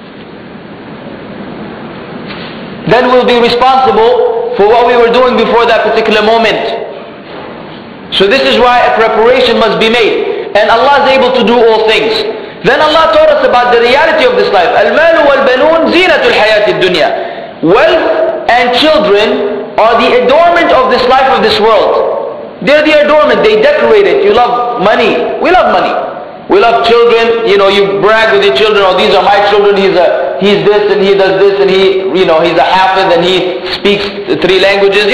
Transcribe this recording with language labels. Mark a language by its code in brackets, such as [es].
[en] Then we'll be responsible for what we were doing before that particular moment. So this is why a preparation must be made. And Allah is able to do all things. Then Allah taught us about the reality of this life. [ar] المال والبنون زينة الحياة الدنيا. [en] Wealth and children are the adornment of this life of this world. They're the adornment, they decorate it. You love money, we love money. We love children, you know, you brag with your children, oh, these are my children, he's this and he does this and he, you know, he's a hafiz and he speaks three languages.